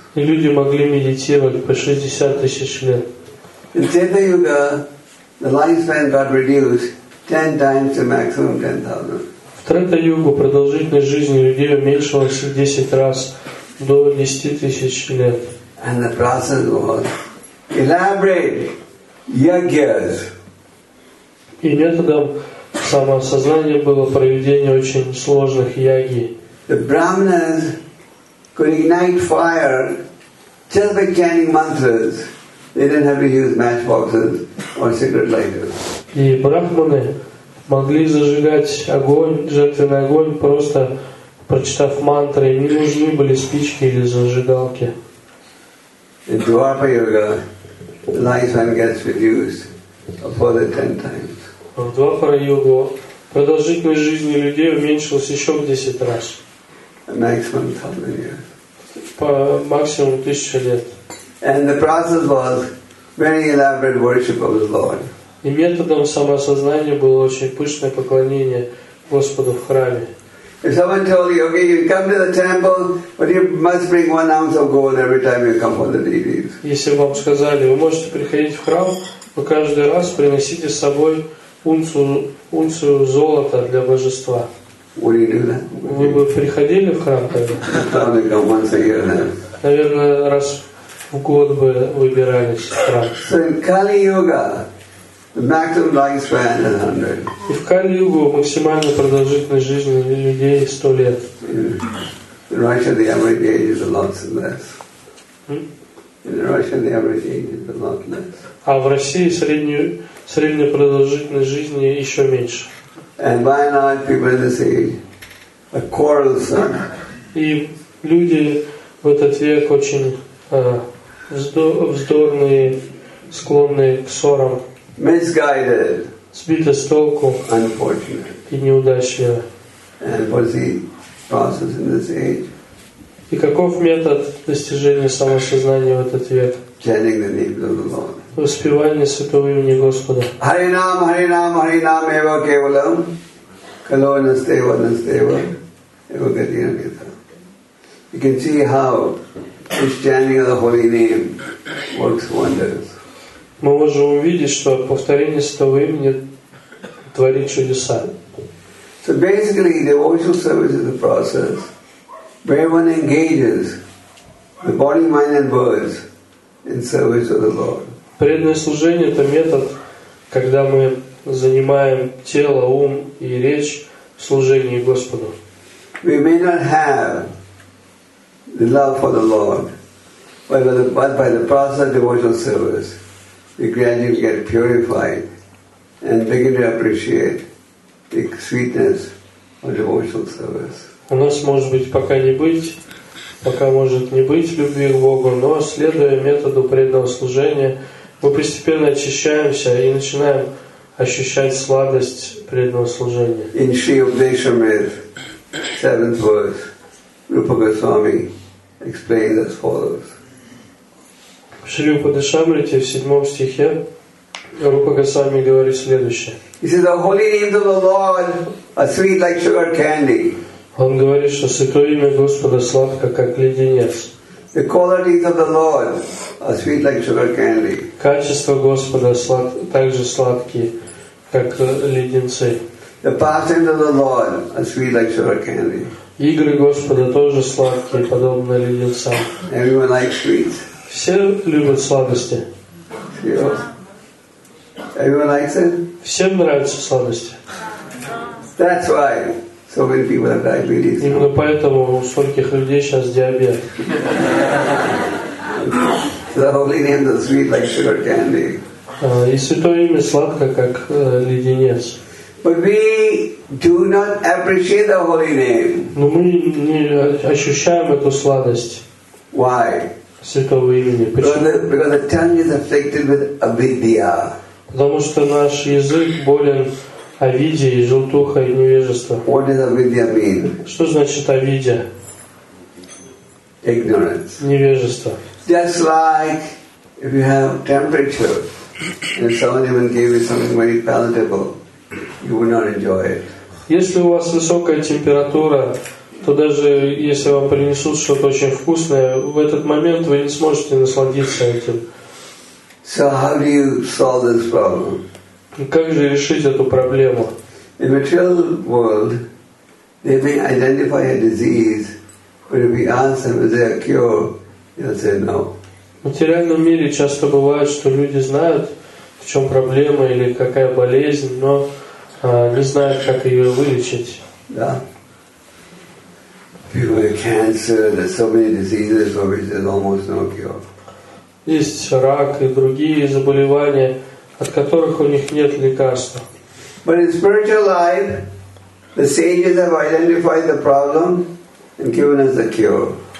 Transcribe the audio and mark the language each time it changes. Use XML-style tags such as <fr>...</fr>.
<ru>И люди могли медитировать по 60,000 лет.</ru> <en>In Satya-yuga, the lifespan got reduced 10 times to maximum 10,000.</en> <ru>В Трета-югу продолжительность жизни людей уменьшилась 10 раз до 10 тысяч лет.</ru> <en>And the process was elaborate yagyas.</en> <ru>И методом самоосознания было проведение очень сложных яги.</ru> <en>The brahmanas could ignite fire just by chanting mantras. They didn't have to use matchboxes or cigarette lighters.</en> <ru>И брахманы могли зажигать огонь, жертвенный огонь, просто прочитав мантры. Не нужны были спички или зажигалки.</ru> <en>In Dwapara Yuga, the lifespan gets reduced for the 10 times.</en> <ru>В Двапара Йогу продолжительность жизни людей уменьшилась еще в 10 раз.</ru> <en>Maximum 1,000 years.</en> <ru>По максимум 1,000 лет.</ru> <en>And the process was very elaborate worship of the Lord.</en> <ru>И методом самоосознания было очень пышное поклонение Господу в храме.</ru> <en>If someone told you, okay, you come to the temple, but you must bring 1 ounce of gold every time you come for the deities.</en> <ru>Если вам сказали, вы можете приходить в храм, но каждый раз приносите с собой унцию золота для божества.</ru> <en>Would you do that?</en> <ru>Вы бы приходили в храм тогда?</ru> <en>Probably come once a year.</en> <ru>Наверное, раз в год бы выбирались в храм.</ru> <en>So in Kali-Yuga, the maximum lifespan is 100.</en> <ru>И в Кали-Югу максимальная продолжительность жизни людей 100 лет.</ru> <en>In Russia, the average age is a lot less. In Russia, the average age is a lot less.</en> <ru>А в России средняя продолжительность жизни еще меньше.</ru> <en>And by and large, people in this age are quarrelsome.</en> <ru>И люди в этот век очень вздорные, склонные к ссорам.</ru> <en>Misguided.</en> <ru>Сбиты с толку.</ru> <en>Unfortunate.</en> <ru>И неудачливо.</ru> <en>And what's the process in this age?</en> <ru>И каков метод достижения самосознания в этот век?</ru> <en>Chanting the name of the Lord.</en> <ru>Воспевание святого имени Господа.</ru> <sa>Харинам, харинам, харинам, эва кевалам. Кало настева, настева. Эва гатина метта.</sa> <en>You can see how this chanting of the holy name works wonders.</en> <ru>Мы можем увидеть, что повторение святого имени творит чудеса.</ru> <en>So basically, devotional service is a process where one engages the body, mind, and words in service of the Lord.</en> <ru>Преданное служение – это метод, когда мы занимаем тело, ум и речь в служении Господу.</ru> <en>We may not have the love for the Lord, but by the process of devotional service, we gradually get purified and begin to appreciate the sweetness of devotional service.</en> <ru>У нас может быть пока не быть, пока может не быть любви к Богу, но следуя методу преданного служения, мы постепенно очищаемся и начинаем ощущать сладость преданного служения.</ru> <en>In Sri Upadeshamrita, seventh verse, Rupa Goswami explains as follows.</en> <ru>В Шри Упадешамрите, в седьмом стихе, Рупа Госвами говорит следующее.</ru> <en>He says, the holy names of the Lord are sweet like sugar candy.</en> <ru>Он говорит, что святое имя Господа сладко, как леденец.</ru> <en>The qualities of the Lord are sweet like sugar candy.</en> <ru>Качества Господа также сладкие, как леденцы.</ru> <en>The pastimes of the Lord are sweet like sugar candy.</en> <ru>Игры Господа тоже сладкие, подобно леденцам.</ru> <en>Everyone likes sweets.</en> <ru>Все любят сладости.</ru> <en>Everyone likes it?</en> <ru>Всем нравятся сладости.</ru> <en>That's why so many people have diabetes.</en> <ru>Именно поэтому у стольких людей сейчас диабет.</ru> <en>The holy name is sweet like sugar candy.</en> <ru>И святое имя сладко, как леденец.</ru> <en>But we do not appreciate the holy name.</en> <ru>Но мы не ощущаем эту сладость.</ru> <en>Why?</en> <ru>Святого имени.</ru> <en>Because the tongue is afflicted with avidya.</en> <ru>Потому что наш язык болен авидией, желтухой, невежеством.</ru> <en>What does avidya mean?</en> <ru>Что значит авидия?</ru> <en>Ignorance.</en> <ru>Невежество.</ru> <en>Just like if you have temperature and someone even gave you something very palatable, you would not enjoy it.</en> <ru>Если у вас высокая температура, то даже если вам принесут что-то очень вкусное, в этот момент вы не сможете насладиться этим.</ru> <en>So how do you solve this problem?</en> <ru>Как же решить эту проблему?</ru> <en>In the material world, they may identify a disease, but if we ask them, is there a cure, they'll say no.</en> <ru>В материальном мире часто бывает, что люди знают, в чем проблема или какая болезнь, но не знают, как ее вылечить. Да.</ru> <en>People with cancer, there's so many diseases for which there's almost no cure.</en> <ru>Есть рак и другие заболевания, от которых у них нет лекарства.</ru> <en>But in spiritual life, the sages have identified the problem and given us the cure.</en>